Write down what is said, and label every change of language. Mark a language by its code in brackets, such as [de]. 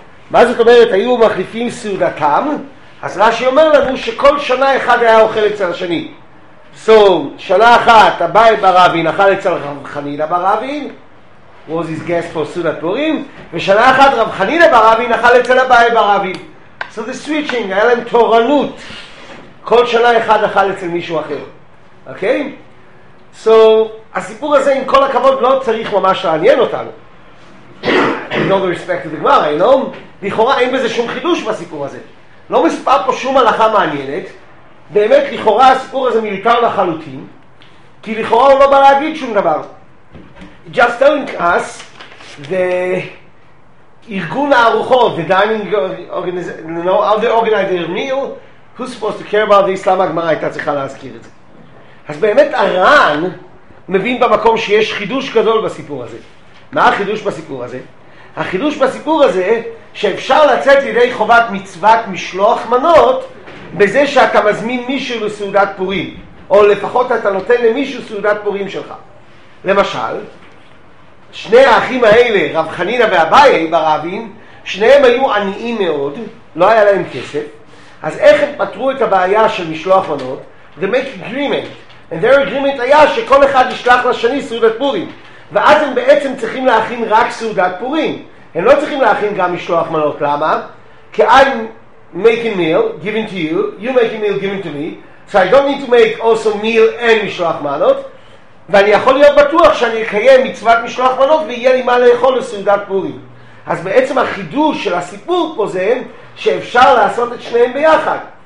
[he] מה זאת אומרת היו מחליפים סעודתם? אז רש"י אומר לנו שכל שנה אחד היה אוכל אצל השני. שנה אחת אביי ברבין אכל אצל רב חנינא ברבין, [en] was his guest for [he] סעודת פורים, ושנה אחת רב חנינא ברבין אכל אצל אביי ברבין. [en] So the switching, [he] היה להם תורנות. כל שנה אחד אכל אצל מישהו אחר. אוקיי? So, הסיפור הזה, עם כל הכבוד, לא צריך ממש לעניין אותנו. [en] In all the respect to the Gemara, you know? [he] לכאורה, אין בזה שום חידוש בסיפור הזה. לא מספר פה שום הלכה מעניינת. באמת, לכאורה, הסיפור הזה מיותר לחלוטין, כי לכאורה הוא לא בא להגיד שום דבר. [en] Just telling us the ארגון הארוחות, the dining organization, you know, all the organized their meal, who's supposed to care about this? [he] למה הגמרא הייתה צריכה להזכיר את זה? אז באמת הר"ן מבין במקום שיש חידוש גדול בסיפור הזה. מה החידוש בסיפור הזה? החידוש בסיפור הזה שאפשר לצאת לידי חובת מצוות משלוח מנות בזה שאתה מזמין מישהו לסעודת פורים, או לפחות אתה נותן למישהו סעודת פורים שלך. למשל, שני האחים האלה, רב חנינא ואביי ברבין, שניהם היו עניים מאוד, לא היה להם כסף, אז איך הם פתרו את הבעיה של משלוח מנות? [en] They make agreement. And their agreement [he] היה שכל אחד ישלח לשני סעודת פורים. ואז הם בעצם צריכים להכין רק סעודת פורים. הם לא צריכים להכין גם משלוח מנות. למה? [en] כי I'm making meal, giving to you, you making meal, giving to me. So I don't need to make also meal and משלוח מנות. [he] ואני יכול להיות בטוח שאני אקיים מצוות משלוח מנות ויהיה לי מה לאכול לסעודת פורים. אז בעצם החידוש של הסיפור פה זה שאפשר לעשות את שניהם ביחד.